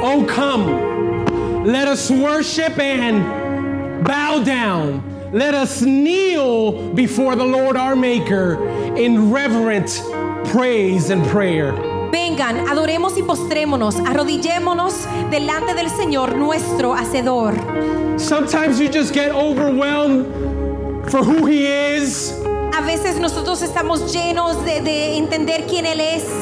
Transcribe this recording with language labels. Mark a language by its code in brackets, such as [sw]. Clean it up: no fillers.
[en] Oh, come, let us worship and bow down. Let us kneel before the Lord our Maker in reverent praise and prayer. [es] Vengan, adoremos y postrémonos, arrodillémonos delante del Señor nuestro Hacedor. [en] Sometimes you just get overwhelmed for who He is. [es] A veces nosotros estamos llenos de entender quién Él es.